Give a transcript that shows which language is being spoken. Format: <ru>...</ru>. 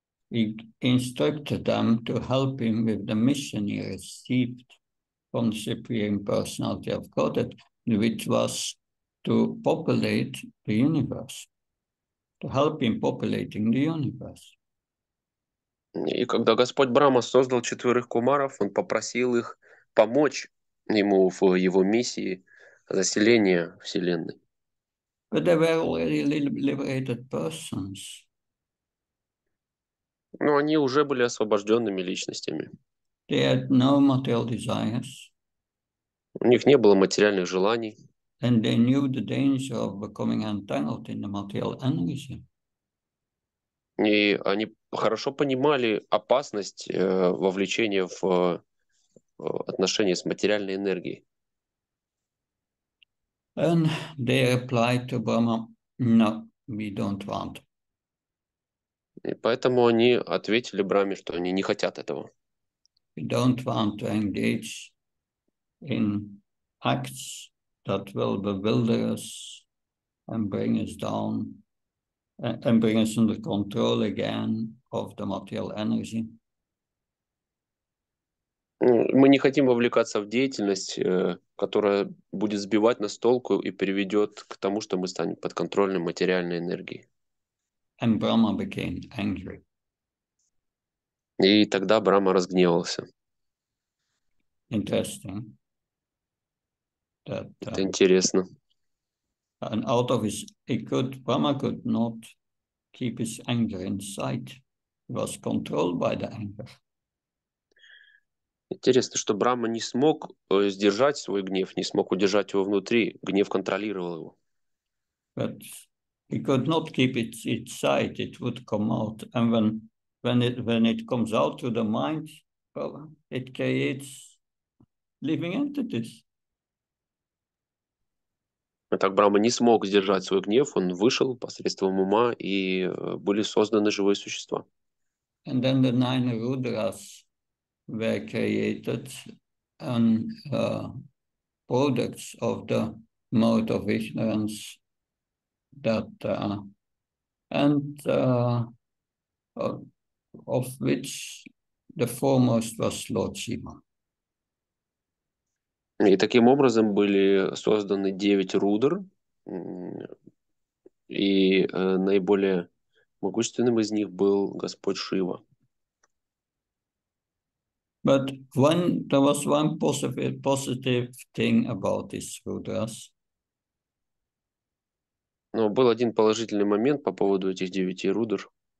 <en>He instructed them to help him with the mission he received from the Supreme Personality of Godhead, which was to populate the universe, to help him populating the universe.</en> <ru>И когда Господь Брама создал четверых кумаров, он попросил их помочь ему в его миссии заселения Вселенной.</ru> <en>But they were already liberated persons.</en> <ru>Но они уже были освобожденными личностями.</ru> <en>They had no material desires.</en> <ru>У них не было материальных желаний.</ru> <en>And they knew the danger of becoming entangled in the material energy.</en> <ru>И они хорошо понимали опасность вовлечения в отношения с материальной энергией.</ru> <en>And they replied to Brahma, no, we don't want.</en> <ru>И поэтому они ответили Браме, что они не хотят этого.</ru> <en>We don't want to engage in acts that will bewilder us and bring us down. And bring us under control again of the material energy.</en> <ru>Мы не хотим вовлекаться в деятельность, которая будет сбивать нас с толку и приведет к тому, что мы станем подконтрольны материальной энергией.</ru> <en>And Brahma became angry.</en> <ru>И тогда Брама разгневался.</ru> <en>Interesting. That,</en> <ru>Это интересно.</ru> <en>And out of his, he could, Brahma could not keep his anger inside. He was controlled by the anger.</en> <ru>Интересно, что Брама не смог сдержать свой гнев, не смог удержать его внутри. Гнев контролировал его.</ru> <en>But he could not keep it inside. It would come out. And when it comes out to the mind, well, it creates living entities.</en> <ru>Так Брама не смог сдержать свой гнев, он вышел посредством ума, и были созданы живые существа.</ru> <en>And then the nine rudras were created and products of the mode of ignorance that and of which the foremost was Lord Shiva.</en> <ru>И таким образом были созданы девять рудр, и наиболее могущественным из них был Господь Шива.</ru> <en>But when there was one positive thing about this rudras.</en> <ru>Но был один положительный момент по поводу этих девяти рудр.</ru>